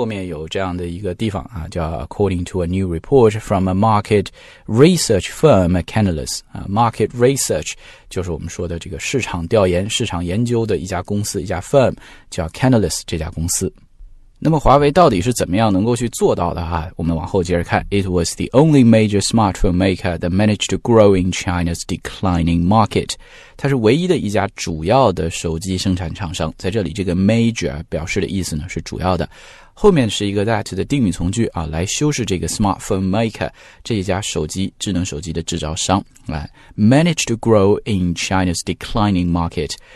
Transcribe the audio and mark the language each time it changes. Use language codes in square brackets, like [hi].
[zh] 后面有这样的一个地方啊，叫 [en] According to a new report from a market research firm, Canalys. [zh] Market research 就是我们说的这个市场调研、市场研究的一家公司，一家 firm 叫 Canalys 这家公司。那么华为到底是怎么样能够去做到的啊？我们往后接着看。 [en] It was the only major smartphone maker that managed to grow in China's declining market. [zh] 它是唯一的一家主要的手机生产厂商。在这里这个 major 表示的意思呢是主要的。后面是一个 that 的定语从句啊，来修饰这个 smartphone maker， 这一家手机智能手机的制造商。 [en] 来 ,managed to grow in China's declining market.